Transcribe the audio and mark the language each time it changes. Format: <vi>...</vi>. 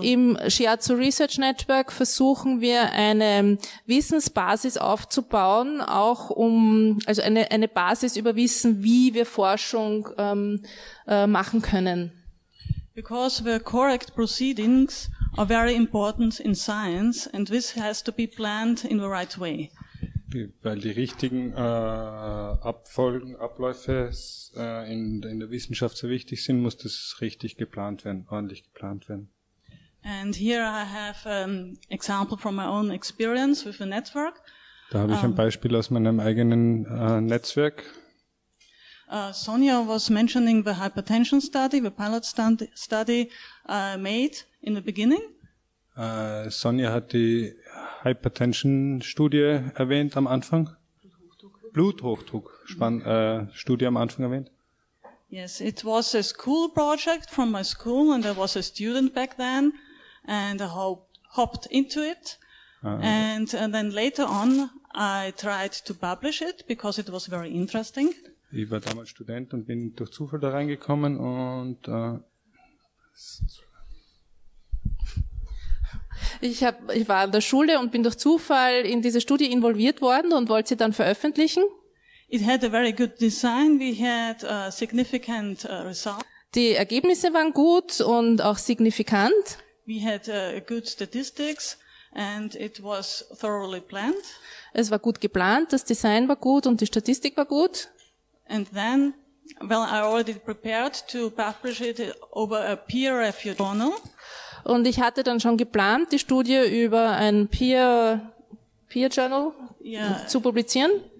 <de>Im Shiatsu Research Network versuchen wir eine Wissensbasis aufzubauen, auch um, also eine Basis über Wissen, wie wir Forschung machen können.</de> <en>Because the correct proceedings are very important in science and this has to be planned in the right way.</en> <de>Weil die richtigen Abfolgen, Abläufe in der Wissenschaft so wichtig sind, muss das richtig geplant werden, ordentlich geplant werden.</de> <en>And here I have an example from my own experience with a network.</en> <de>Da habe ich ein Beispiel aus meinem eigenen Netzwerk.</de> <en>Sonja was mentioning the hypertension study, the pilot study made in the beginning.</en> <de>Sonja hat die Hypertension-Studie erwähnt am Anfang. Bluthochdruck-Studie am Anfang erwähnt.</de> <en>Yes, it was a school project from my school and I was a student back then and I hopped into it. And then later on I tried to publish it because it was very interesting.</en> <de>Ich war damals Student und bin durch Zufall da reingekommen und Ich war an der Schule und bin durch Zufall in diese Studie involviert worden und wollte sie dann veröffentlichen.</de> <en>It had a very good design. We had a significant result.</en> <de>Die Ergebnisse waren gut und auch signifikant.</de> <en>We had good statistics and it was thoroughly planned.</en> <de>Es war gut geplant, das Design war gut und die Statistik war gut.</de> <en>And then, well, I already prepared to publish it over a peer-reviewed journal.</en> <de>Und ich hatte dann schon geplant, die Studie über ein Peer Journal zu publizieren.</de>